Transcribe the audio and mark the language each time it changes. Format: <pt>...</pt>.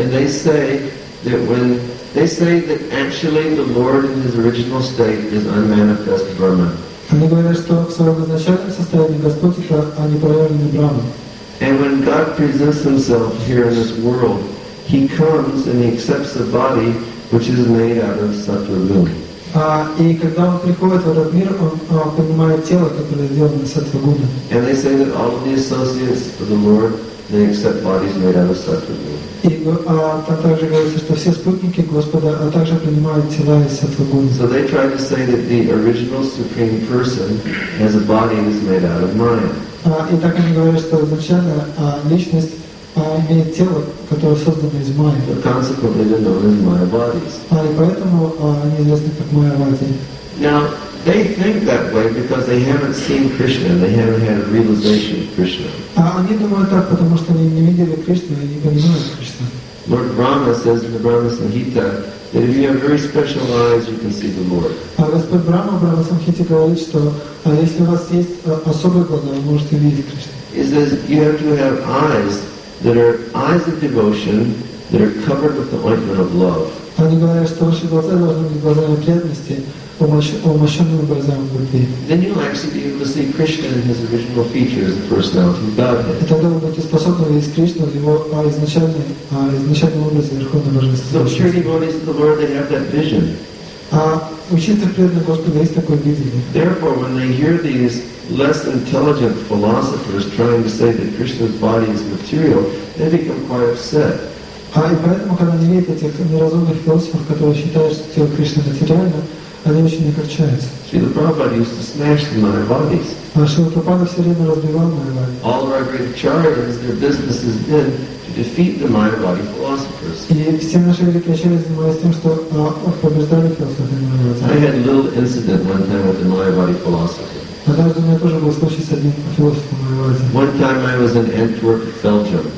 <en>And they say that actually the Lord in His original state is unmanifest Brahman. And when God presents Himself here in this world, He comes and He accepts a body which is made out of sattva-guna.</en> <ru>И когда он приходит в этот мир, он принимает тело, которое сделано из сатвагуны.</ru> <en>And they say that all of the associates of the Lord they accept bodies made out of sattva-guna.</en> <ru>И там также говорится, что все спутники Господа также принимают тела из сатвагуны.</ru> <en>So they try to say that the original supreme person has a body that's made out of maya.</en> <ru>И так они говорят, что изначально личность имеет тело, которое создано из майя.</ru> <en>But consequently they're known as maya bodies.</en> <ru>И поэтому они известны как майя бодхи.</ru> <en>Now they think that way because they haven't seen Krishna, they haven't had a realization of Krishna.</en> <ru>Они думают так, потому что они не видели Кришну и не понимают Кришну.</ru> <en>Lord Brahma says in the Brahma Sanhita that if you have very special eyes, you can see the Lord.</en> <ru>Господь Брама в Брама Санхите говорит, что если у вас есть особые глаза, вы можете видеть Кришну.</ru> <en>He says you have to have eyes that are eyes of devotion that are covered with the ointment of love.</en> <ru>Они говорят, что ваши глаза должны быть глазами преданности.</ru> <en>Then you'll actually be able to see Krishna in his original features, the personality of Godhead.</en> <ru>Тогда вы будете способны видеть Кришну в его изначальном образе Верховного Божества.</ru> <en>So pure devotees of the Lord, they have that vision.</en> <ru>Учитель преданный Господа есть такое видение.</ru> <en>Therefore, when they hear these less intelligent philosophers trying to say that Krishna's body is material, they become quite upset.</en> <ru>И поэтому, когда они видят этих неразумных философов, которые считают, что тело Кришны материально, они очень огорчаются.</ru> <en>Srila Prabhupada used to smash the Maya bodies.</en> <ru>Srila Prabhupada все время разбивал Maya bodies.</ru> <en>All of our great acharyas, their business has been to defeat the Maya body philosophers.</en> <ru>И все наши великие acharyas занимались тем, что побеждали философы Maya</ru> <en>bodies. I had a little incident one time with a Maya body philosopher.</en> <ru>Однажды у меня тоже был случай с одним философом Maya bodies.</ru> <en>One time I was in Antwerp, Belgium.</en>